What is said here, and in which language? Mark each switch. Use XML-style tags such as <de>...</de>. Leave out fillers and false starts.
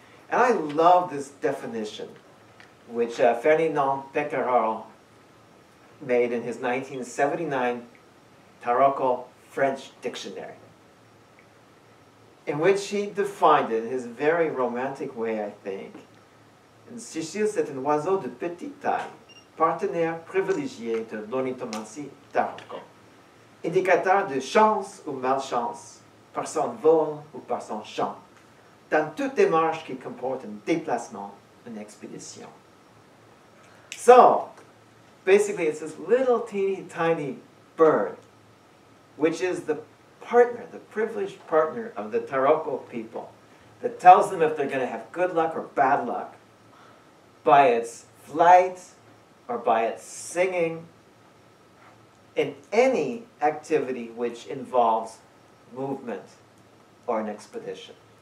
<en>And I love this definition, which Ferdinand Pecoraro made in his 1979 Taroko French Dictionary, in which he defined it in his very romantic way, I think.</en> <fr>And Cécile, c'est un oiseau de petite taille, partenaire privilégié de l'ornithomancie Taroko, indicateur de chance ou malchance, par son vol ou par son chant. Dans toute démarche qui comporte un déplacement, une expédition.</fr> <en>So, basically it's this little teeny tiny bird, which is the partner, the privileged partner of the Taroko people, that tells them if they're going to have good luck or bad luck by its flight or by its singing in any activity which involves movement or an expedition.</en>